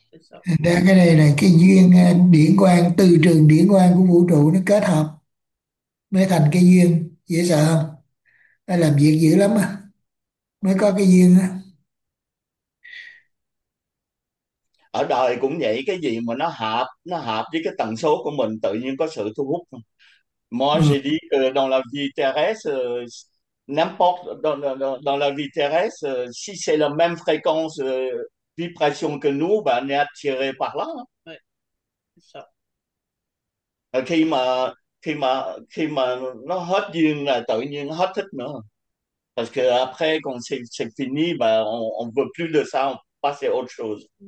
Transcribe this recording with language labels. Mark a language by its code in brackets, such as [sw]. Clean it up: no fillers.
[fr] Ça. [vi] Cái này là cái duyên điển quang, từ trường điển quang của vũ trụ nó kết hợp mới thành cái duyên. Dễ sợ không? Nó làm việc dữ lắm á, mới có cái duyên á. Ở đời cũng vậy, cái gì mà nó hợp với cái tần số của mình tự nhiên có sự thu hút. [fr] Moi Ừ. je dis que dans la vie terrestre, n'importe dans la vie terrestre, si c'est la même fréquence vibration que nous, bah, on est attiré par là. Ça. [vi] Khi mà nó hết duyên là tự nhiên nó hết thích nữa. [fr] Parce que après, quand c'est fini, bah, on veut plus de ça, on passe à autre chose.